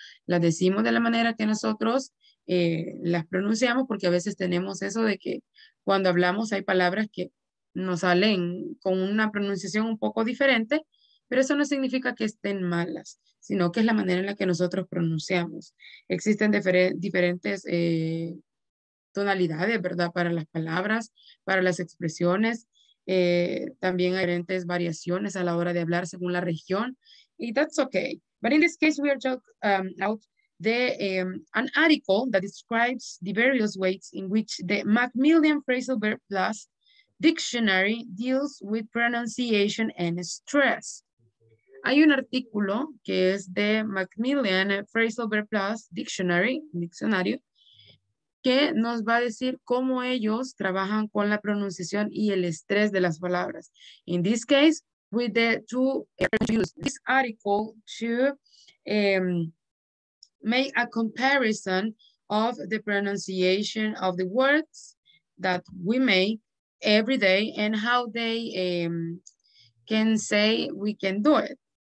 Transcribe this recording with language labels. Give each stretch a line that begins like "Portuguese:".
Spanish: Las decimos de la manera que nosotros las pronunciamos, porque a veces tenemos eso de que cuando hablamos hay palabras que nos salen con una pronunciación un poco diferente, pero eso no significa que estén malas, sino que es la manera en la que nosotros pronunciamos. Existen diferentes tonalidades, ¿verdad? Para las palabras, para las expresiones. También hay diferentes variaciones a la hora de hablar según la región. Y
English: that's okay. But in this case, we are talking about an article that describes the various ways in which the Macmillan Phrasal Verb Plus Dictionary deals with pronunciation and stress.
Spanish: Hay un artículo que es de Macmillan Phrasal Verb Plus Dictionary, diccionario, que nos va a decir cómo ellos trabajan con la pronunciación y el estrés de las palabras.
English: In this case, with the two use this article to make a comparison of the pronunciation of the words that we make every day and how they can say we can do it.